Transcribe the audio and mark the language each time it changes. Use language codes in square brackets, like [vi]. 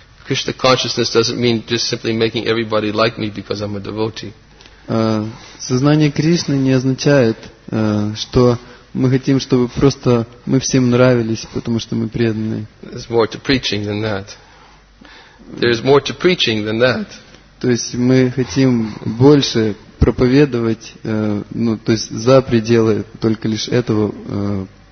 [en] Krishna consciousness doesn't mean just simply making everybody like me because I'm a devotee. [ru] Сознание Кришны не означает, что мы хотим, чтобы просто мы всем нравились, потому что мы преданные. [en] There's more to preaching than that. There's more to preaching than that. [ru] То есть мы хотим больше проповедовать, то есть за пределы только лишь этого.